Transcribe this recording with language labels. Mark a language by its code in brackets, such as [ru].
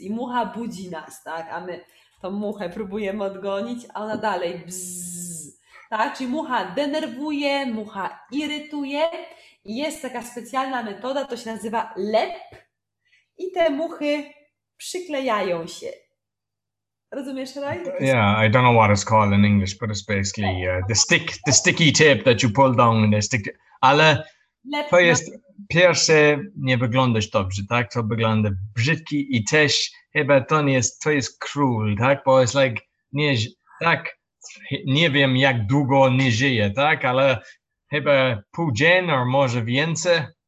[pl] I mucha budzi nas, tak? A my tą muchę próbujemy odgonić, a ona dalej bzzz. Tak? Czyli mucha denerwuje, mucha irytuje. I jest taka specjalna metoda, to się nazywa lep. I te muchy przyklejają się. Rozumiesz, Raj? [en] Yeah, I don't know what it's called in English, but it's basically the sticky tip that you pull down and they stick. [pl] Ale... Lepna. To jest pierwsze, nie wyglądasz dobrze, tak? To wygląda brzydki i też chyba to jest król, tak? Bo jest [en] like, [pl] nie wiem jak długo nie żyje, tak? Ale chyba pół dzień, [en] or [pl] może więcej.